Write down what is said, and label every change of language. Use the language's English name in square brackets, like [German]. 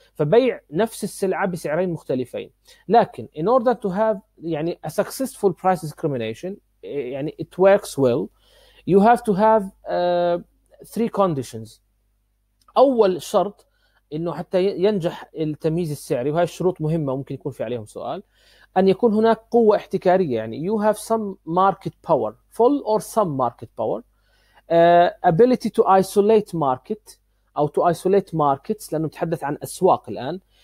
[Arabic] فبيع نفس السلعة بسعرين مختلفين. لكن [English] in order to have [Arabic] يعني [English] a successful price discrimination, يعني it works well, you have to have three conditions. [Arabic] أول شرط إنه حتى ينجح التمييز السعري، وهي الشروط مهمة ممكن يكون في عليهم سؤال، أن يكون هناك قوة احتكارية، يعني [English] you have some market power, full or some market power, ability to isolate market. [Arabic] أو [English] to isolate markets، [Arabic] لأنه نتحدث عن أسواق الآن،